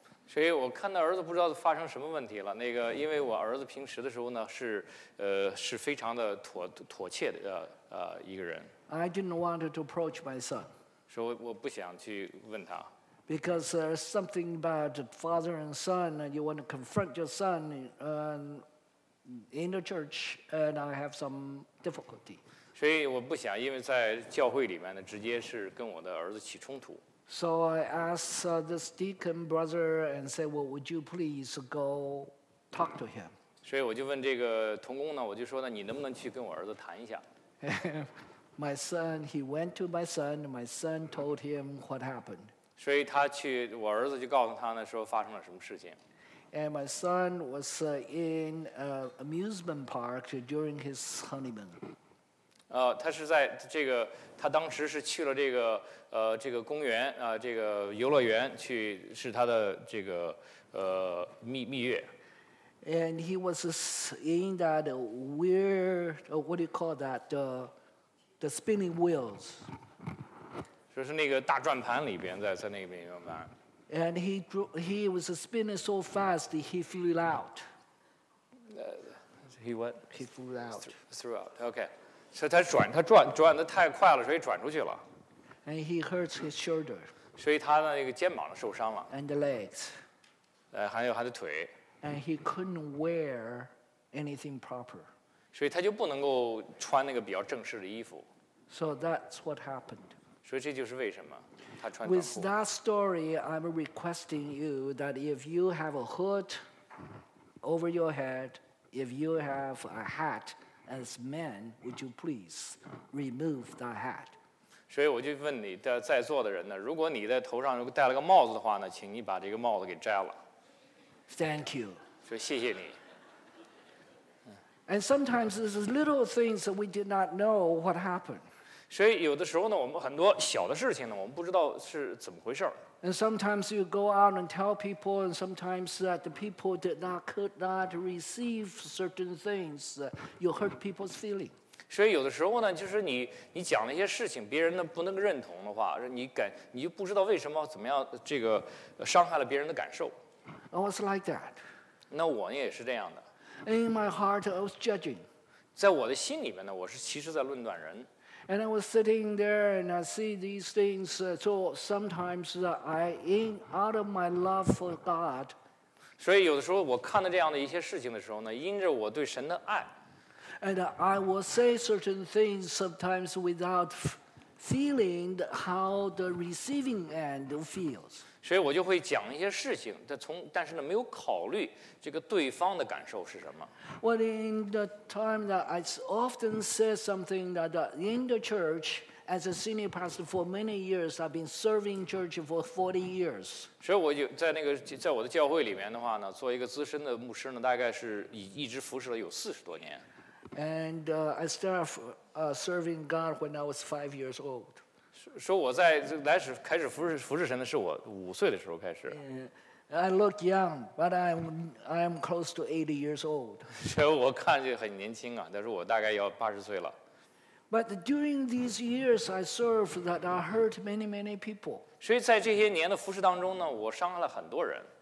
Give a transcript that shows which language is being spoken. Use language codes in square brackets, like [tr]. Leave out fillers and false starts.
[zh] 所以我看到儿子不知道发生什么问题了。那个，因为我儿子平时的时候呢，是非常的妥切的一个人。 [en] I didn't want to approach my son. [zh] 说我不想去问他。 [en] Because there's something about father and son, and you want to confront your son in the church, and I have some difficulty. [zh] 所以我不想，因为在教会里面呢，直接是跟我的儿子起冲突。 [en] So I asked this deacon brother and said, "Well, would you please go talk to him?" [zh] 所以我就问这个同工呢，我就说呢，你能不能去跟我儿子谈一下？ [en] My son, he went to my son. My son told him what happened. [zh] 所以他去，我儿子就告诉他呢，说发生了什么事情。 [en] And my son was in an amusement park during his honeymoon. [zh] 他是在这个，他当时是去了这个这个公园啊、这个游乐园去，是他的这个蜜月。 [en] And he was in that weird, what do you call that, the spinning wheels. [zh] 就是那个大转盘里边，在那边转盘。 [en] And he was spinning so fast he flew out. He what? He flew out. Throughout. Okay. [zh] 所以他转的太快了，所以转出去了。 [en] And he hurts his shoulder. [zh] 所以他的那个肩膀受伤了。 [en] And the legs. [zh] 还有他的腿。 [en] And he couldn't wear anything proper. [zh] 所以他就不能够穿那个比较正式的衣服。 [en] So that's what happened. [zh] 所以这就是为什么他穿短裤。 [en] With that story, I'm requesting you that if you have a hood over your head, if you have a hat as men, would you please remove that hat? [zh] 所以我就问你的在座的人呢，如果你在头上如果戴了个帽子的话呢，请你把这个帽子给摘了。 [en] Thank you. [zh] 说谢谢你。 [en] And sometimes this is little things that we did not know what happened. [zh] 所以有的时候呢，我们很多小的事情呢，我们不知道是怎么回事。 [en] And sometimes you go out and tell people, and sometimes that the people did not could not receive certain things, you hurt people's feeling. [zh] 所以有的时候呢，就是你讲了一些事情，别人呢不能认同的话，你就不知道为什么怎么样这个伤害了别人的感受。 [en] I was like that. [zh] 那我也是这样的。 [en] In my heart, I was judging. [zh] 在我的心里面呢，我是其实在论断人。 [en] And I was sitting there and I see these things. So sometimes I, in out of my love for God. [zh] 所以有的时候我看到这样的一些事情的时候呢，因着我对神的爱。 [en] And I will say certain things sometimes without feeling how the receiving end feels. [zh] 所以我就会讲一些事情，但是呢，没有考虑这个对方的感受是什么。 [en] Well, in the time that I often say something that in the church, as a senior pastor for many years, I've been serving church for 40 years. [zh] 所以我就在那个在我的教会里面的话呢，做一个资深的牧师呢，大概是一直服侍了有40多年。 [en] And I started serving God when I was 5 years old. [zh] 说我在来时开始服侍神的是我五岁的时候开始。 [en] I look young, but I'm close to 80 years old. [zh] 所以我看就很年轻啊，但是我大概要80岁了。 [en] But during these years, I served that I hurt many, many people. [zh] 所以在这些年的服侍当中呢，我伤害了很多人。